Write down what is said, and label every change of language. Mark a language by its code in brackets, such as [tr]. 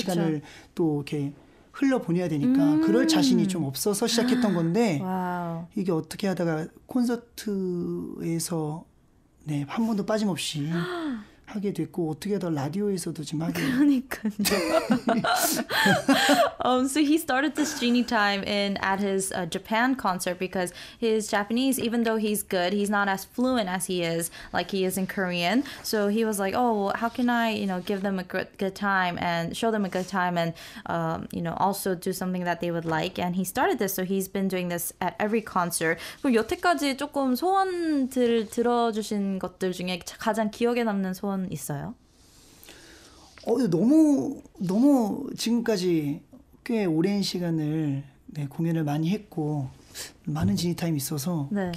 [ko] 시간을 또 이렇게 흘러보내야 되니까 그럴 자신이 좀 없어서 시작했던 건데 와우. 이게 어떻게 하다가 콘서트에서 네, 한 번도 빠짐없이 하게 됐고 어떻게 더 라디오에서도 지금 하게 그러니까요. [en] So he started this genie time in at his Japan concert because his Japanese, even though he's good, he's not as fluent as he is like he is in Korean. So he was like, oh, how can I, you know, give them a good time and show them a good time and you know, also do something that they would like. And he started this, so he's been doing this at every concert. [ko] 그럼 여태까지 조금 소원들 들어주신 것들 중에 가장 기억에 남는 소원 있어요? 너무 지금까지 꽤 오랜 시간을 네, 공연을 많이 했고 많은 지니 타임이 있어서 네.